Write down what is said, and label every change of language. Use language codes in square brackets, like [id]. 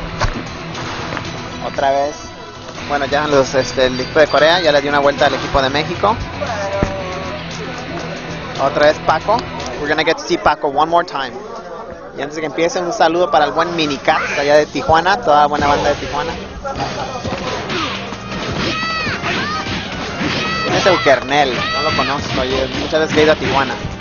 [es] Okay. Otra vez. Bueno, ya los el equipo de Corea ya le dio una vuelta al equipo de México. Otra vez Paco. [en] We're gonna get to see Paco one more time. [es] Y antes de que empiece, un saludo para el buen Minicat allá de Tijuana, toda la buena banda de Tijuana. Es el Kernel, no lo conozco, y muchas veces he ido a Tijuana.